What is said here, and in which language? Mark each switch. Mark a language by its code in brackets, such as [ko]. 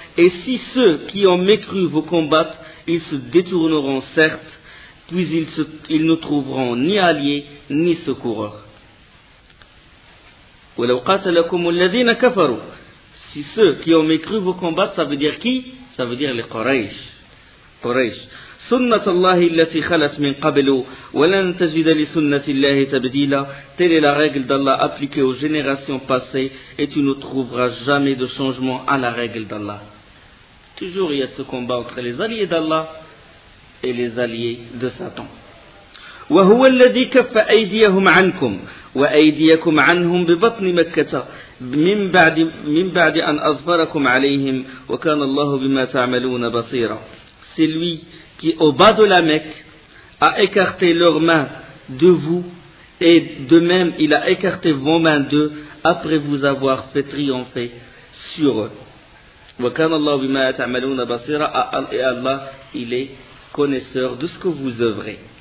[fr] Et si ceux qui ont mécru vous combattent, ils se détourneront certes, puis ils ne trouveront ni alliés ni secoureurs. [ar] ولو قاتلكم الذين كفروا. [fr] Si ceux qui ont mécru vous combattent, ça veut dire qui? Ça veut dire les Quraysh. Quraysh. [ar] سنة الله التي خلت من قبل ولن تجد لسنة الله تبديلا. [fr] Telle est la règle d'Allah appliquée aux générations passées, et tu ne trouveras jamais de changement à la règle d'Allah. Toujours il y a ce combat entre les alliés d'Allah et les alliés de Satan. [ar] وهو الذي كف أيديهم عنكم وأيديكم عنهم ببطن مكة من بعد أن أظفركم عليهم وكان الله بما تعملون بصيرا. [fr] C'est lui qui, au bas de la Mecque, a écarté leurs mains de vous, et de même, il a écarté vos mains d'eux, après vous avoir fait triompher sur eux. [ar] وَكَانَ اللَّهُ بِمَا يَتَعْمَلُونَ بَصِيرًا. [fr] Et Allah, il est connaisseur de ce que vous œuvrez.